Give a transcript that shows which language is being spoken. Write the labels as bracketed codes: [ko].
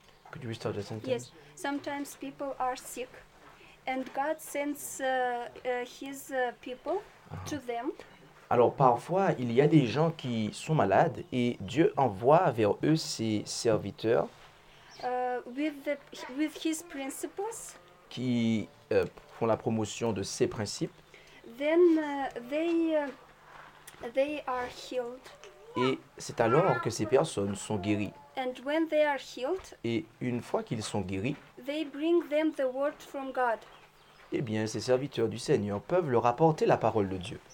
[en] Could you restart the sentence? Yes. Sometimes people are sick. And God sends his people to them. [fr] Alors parfois, il y a des gens qui sont malades et Dieu envoie vers eux ses serviteurs [en] with his principles [fr] qui font la promotion de ses principes. [en] Then they are healed. [fr] Et c'est alors que ces personnes sont guéries. [en] And when they are healed, [fr] et une fois qu'ils sont guéris, [en] they bring them the word from God. [fr] Eh bien, ces serviteurs du Seigneur peuvent leur apporter la parole de Dieu.